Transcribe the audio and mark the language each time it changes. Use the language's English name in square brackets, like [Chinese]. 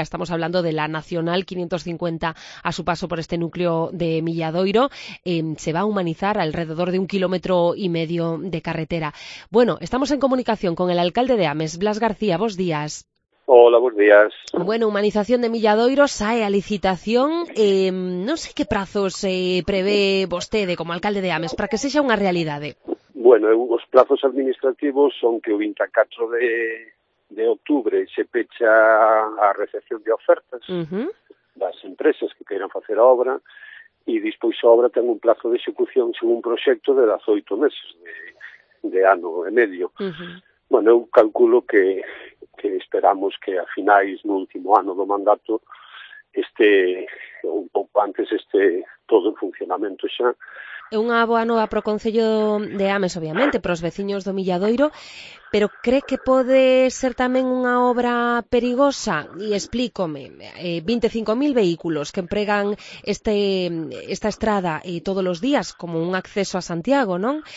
[Spanish] Estamos hablando de la Nacional 550 a su paso por este núcleo de Milladoiro. Se va a humanizar alrededor de 1,5 kilómetros de carretera. Bueno, estamos en comunicación con el alcalde de Ames, Blas García. Buenos días. Hola, buenos días. [Galician] Bueno, humanización de Milladoiro sae a licitación. No sé qué prazos prevé vostede como alcalde de Ames para que sexa unha realidade. Bueno, os prazos administrativos son que o 24 de octubre se pecha a recepción de ofertas das empresas que queiran facer a obra. E dispois a obra ten un plazo de execución según un proxecto de 18 meses de ano e medio. Uh-huh. Bueno, eu calculo que esperamos que a finais no último ano do mandato este, un pouco antes, este todo en funcionamento xa. É unha boa nova pro Concello de Ames, obviamente, pros veciños do Milladoiro, pero cree que pode ser tamén unha obra perigosa? E explícome, 25.000 vehículos que empregan esta estrada todos os días como un acceso a Santiago, non?